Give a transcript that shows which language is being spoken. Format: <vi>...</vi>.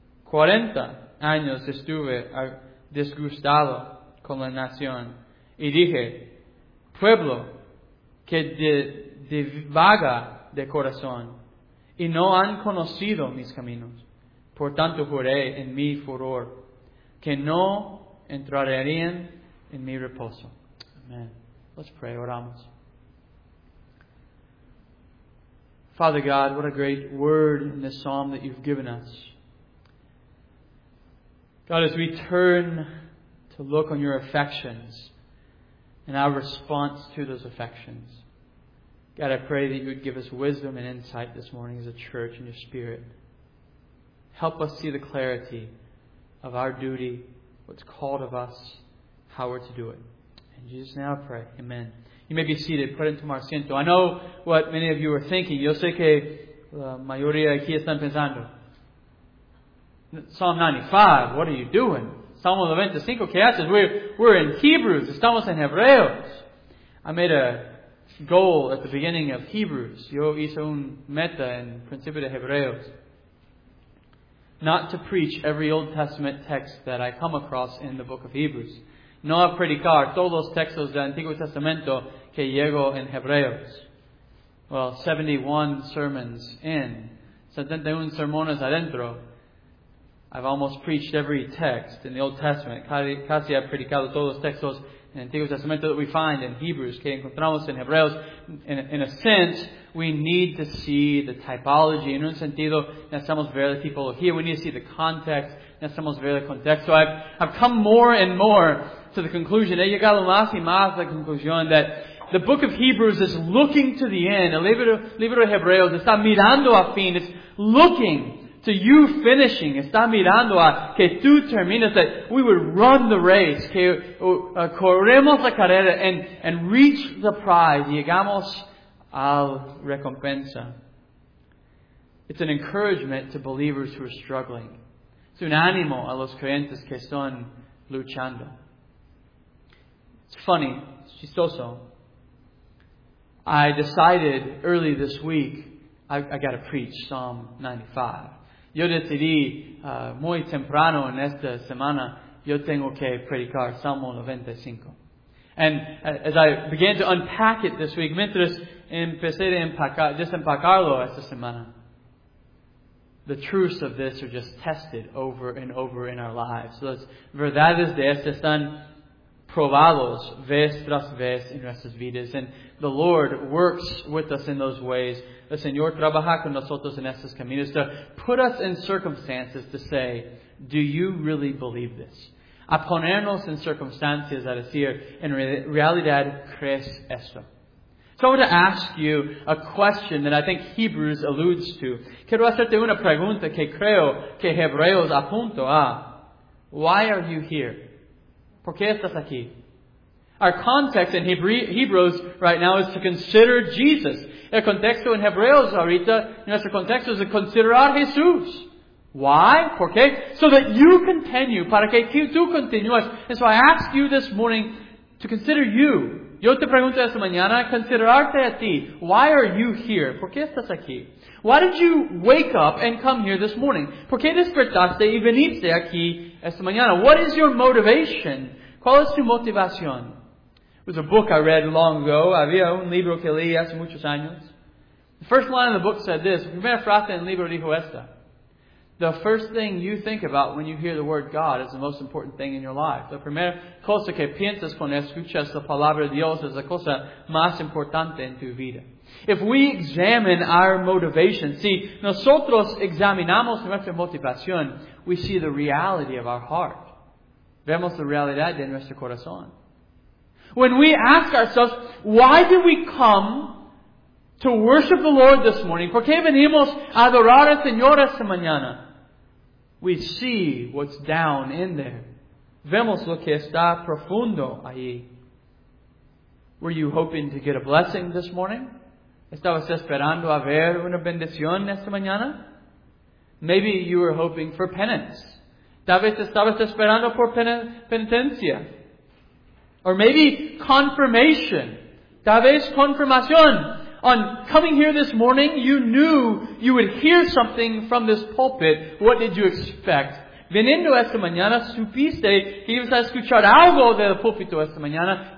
<es>40 años estuve disgustado con la nación y dije, pueblo que divaga de corazón y no han conocido mis caminos. Por tanto juré en mi furor que no entrarían en mi reposo.</es> <en>Amén. Let's pray,</en> <es>oramos.</es> <en>Father God, what a great word in this psalm that you've given us. God, as we turn to look on your affections and our response to those affections, God, I pray that you would give us wisdom and insight this morning as a church in your spirit. Help us see the clarity of our duty, what's called of us, how we're to do it. In Jesus now I pray. Amen. You may be seated. Put into my asiento. I know what many of you are thinking.</en> <es>Yo sé que la mayoría aquí están pensando.</es> <en>Psalm 95. What are you doing? Psalm 95.</en> <es>¿Qué haces?</es> <en>We're in Hebrews.</en> <es>Estamos en Hebreos.</es> <en>I made a goal at the beginning of Hebrews.</en> <es>Yo hice un meta en principio de Hebreos.</es> <en>Not to preach every Old Testament text that I come across in the book of Hebrews.</en> <es>No a predicar todos los textos del Antiguo Testamento que llego en Hebreos.</es> <en>Well, 71 sermons in,</en> <es>71 sermones adentro.</es> <en>I've almost preached every text in the Old Testament.</en> <es>Casi he predicado todos los textos en el Antiguo Testamento</es> <en>that we find in Hebrews,</en> <es>que encontramos en Hebreos.</es> <en>In a sense, we need to see the typology.</en> <es>En un sentido, necesitamos ver la tipología.</es> <en>We need to see the context.</en> <es>Necesitamos ver el contexto.</es> <en>So I've come more and more to the conclusion,</en> <es>he llegado más y más a la conclusión,</es> <en>that the book of Hebrews is looking to the end.</en> <es>El libro de Hebreos está mirando a fin.</es> <en>It's looking to you finishing,</en> <es>está mirando a que tú termines,</es> <en>that we would run the race,</en> <es>que corremos la carrera</es> <en>and reach the prize,</en> <es>llegamos al recompensa.</es> <en>It's an encouragement to believers who are struggling.</en> <es>Es un ánimo a los creyentes que están luchando.</es> <en>It's funny, it's chistoso. I decided early this week, I got to preach Psalm 95.</en> <es>Yo decidí muy temprano en esta semana, yo tengo que predicar Salmo 95.</es> <en>And as I began to unpack it this week,</en> <es>mientras empecé a desempacarlo esta semana,</es> <en>the truths of this are just tested over and over in our lives.</en> <es>So las verdades de esto están probados vez tras vez en nuestras vidas.</es> <en>And the Lord works with us in those ways.</en> <es>El Señor trabaja con nosotros en estos caminos</es> <en>to put us in circumstances to say, do you really believe this?</en> <es>A ponernos en circunstancias a decir, en realidad, ¿crees esto?</es> <en>So I want to ask you a question that I think Hebrews alludes to.</en> <es>Quiero hacerte una pregunta que creo que Hebreos apunta a.</es> <en>Why are you here?</en> <es>¿Por qué estás aquí?</es> <en>Our context in Hebrews right now is to consider Jesus.</en> <es>El contexto en Hebreos ahorita, nuestro contexto es de considerar Jesús.</es> <en>Why?</en> <es>¿Por qué?</es> <en>So that you continue,</en> <es>para que tú continúes.</es> <en>And so I ask you this morning to consider you.</en> <es>Yo te pregunto esta mañana, considerarte a ti.</es> <en>Why are you here?</en> <es>¿Por qué estás aquí?</es> <en>Why did you wake up and come here this morning?</en> <es>¿Por qué despertaste y viniste aquí esta mañana?</es> <en>What is your motivation?</en> <es>¿Cuál es tu motivación?</es> <en>It was a book I read long ago.</en> <es>Había un libro que leí hace muchos años.</es> <en>The first line of the book said this.</en> <es>Primera frase en el libro dijo esta.</es> <en>The first thing you think about when you hear the word God is the most important thing in your life.</en> <es>La primera cosa que piensas cuando escuchas la palabra de Dios es la cosa más importante en tu vida.</es> <en>If we examine our motivation,</en> <es>si nosotros examinamos nuestra motivación,</es> <en>we see the reality of our heart.</en> <es>Vemos la realidad de nuestro corazón.</es> <en>When we ask ourselves, why did we come to worship the Lord this morning?</en> <es>¿Por qué venimos a adorar al Señor esta mañana?</es> <en>We see what's down in there.</en> <es>Vemos lo que está profundo ahí.</es> <en>Were you hoping to get a blessing this morning?</en> <es>¿Estabas esperando a ver una bendición esta mañana?</es> <en>Maybe you were hoping for penance.</en> <es>¿Tal vez estabas esperando por penitencia? Or maybe confirmation. ¿Tal vez confirmación?</es> <en>On coming here this morning, you knew you would hear something from this pulpit. What did you expect?</en> <es>Veniendo esta mañana, supiste que ibas a escuchar algo del púlpito esta mañana.</es>